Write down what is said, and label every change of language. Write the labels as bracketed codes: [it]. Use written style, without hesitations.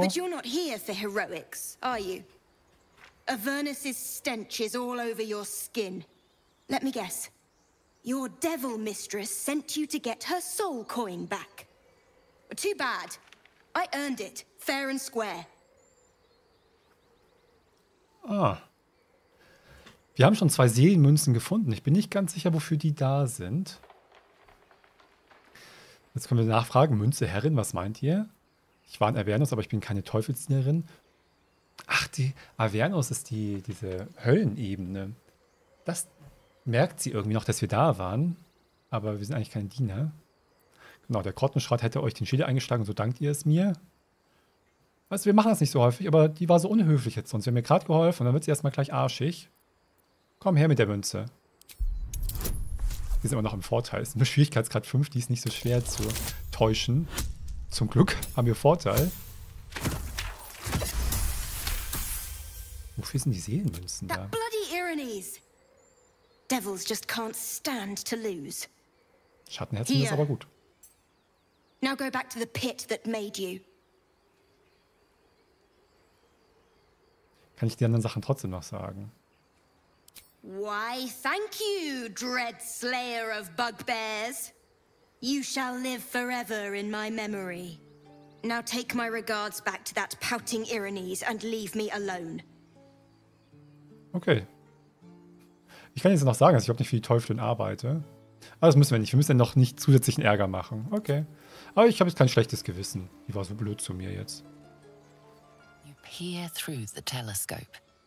[en] But you're not here for heroics, are you? Avernus's stench is all over your skin. Let me guess. Your devil mistress sent you to get her soul coin back. Too bad. I earned it, fair and square. Ah. [de] Wir haben schon zwei Seelenmünzen gefunden. Ich bin nicht ganz sicher, wofür die da sind. Jetzt können wir nachfragen. Münze, Herrin, was meint ihr? Ich war in Avernus, aber ich bin keine Teufelsdienerin. Ach, die Avernus ist diese Höllenebene. Das merkt sie irgendwie noch, dass wir da waren. Aber wir sind eigentlich keine Diener. Genau, der Grottenschrat hätte euch den Schädel eingeschlagen, so dankt ihr es mir. Weißt du, wir machen das nicht so häufig, aber die war so unhöflich jetzt sonst. Sie haben mir gerade geholfen und dann wird sie erstmal gleich arschig. Komm her mit der Münze. Die ist immer noch im Vorteil. Es ist nur Schwierigkeitsgrad 5, die ist nicht so schwer zu täuschen. Zum Glück haben wir Vorteil. Wofür sind die Seelenmünzen da? [en] That bloody ironies. Devils just can't stand to lose. [de] Schattenherzen here. Ist aber gut. [en] Now go back to the pit that made you. [de] Kann ich die anderen Sachen trotzdem noch sagen? [en] Why, thank you, dread slayer of bugbears. You shall live forever in my memory. Now take my regards back to that pouting Irines and leave me alone. [de] Okay. Ich kann jetzt noch sagen, dass ich auch nicht für die Teufelin arbeite. Aber das müssen wir nicht. Wir müssen ja noch nicht zusätzlichen Ärger machen. Okay. Aber ich habe jetzt kein schlechtes Gewissen. Die war so blöd zu mir jetzt. [en] Here through the telescope.